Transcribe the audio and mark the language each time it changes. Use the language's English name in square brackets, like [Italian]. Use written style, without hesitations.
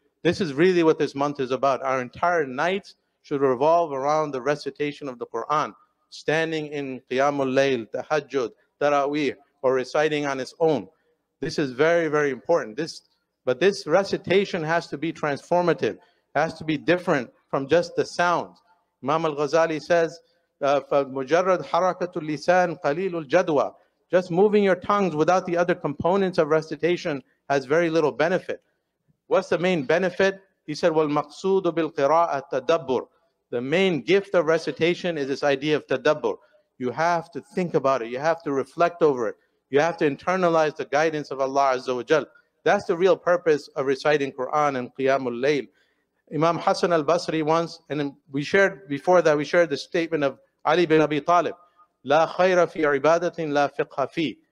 [English] This is really what this month is about. Our entire nights should revolve around the recitation of the Quran, standing in Qiyamul Layl, Tahajjud, Taraweeh, or reciting on its own. This is very, very important. But this recitation has to be transformative, has to be different from just the sounds. Imam Al-Ghazali says, [Arabic] فَمُجَرَّدْ حَرَكَةُ اللِّسَانِ قَلِيلُ الْجَدْوَى. [English] Just moving your tongues without the other components of recitation has very little benefit. What's the main benefit? He said, [Arabic] وَالْمَقْصُودُ بِالْقِرَاءَ التَّدَبُّرُ. [English] The main gift of recitation is this idea of tadabbur. You have to think about it. You have to reflect over it. You have to internalize the guidance of Allah Azza wa Jal. That's the real purpose of reciting Quran and Qiyamul Layl. Imam Hassan al-Basri once, and we shared before that, we shared the statement of Ali bin Abi Talib, [Arabic] La khayra fi ibadatin la fiqha fi.